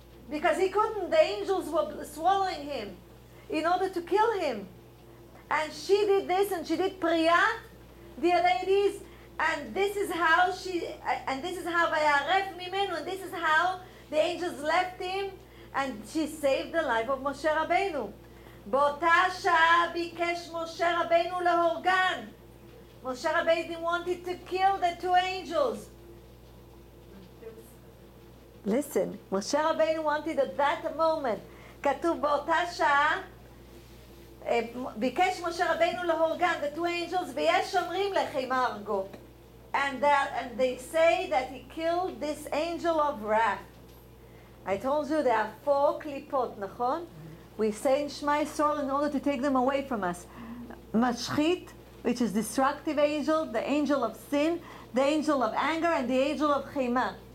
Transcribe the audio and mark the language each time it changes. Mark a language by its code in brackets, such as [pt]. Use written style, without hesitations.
[en] Because he couldn't, the angels were swallowing him in order to kill him. And she did this, and she did priya, dear ladies, and this is how she, and this is how [he] ויערף ממנו, [en] and this is how the angels left him, and she saved the life of Moshe Rabbeinu. [he] באותה שעה ביקש Moshe Rabbeinu להורגן. [en] Moshe Rabbeinu wanted to kill the two angels. Listen, Moshe Rabbeinu wanted at that moment. [he] כתוב באותה שעה, ביקש Moshe Rabbeinu להורגן, [en] the two angels, [he] ויש אומרים לכם הרגו. [en] And they say that he killed this angel of wrath. I told you there are four klipot, [he] נכון? [en] We say in Shema Yisrael in order to take them away from us. Mashchit, which is destructive angel, the angel of sin, the angel of anger, and the angel of chema.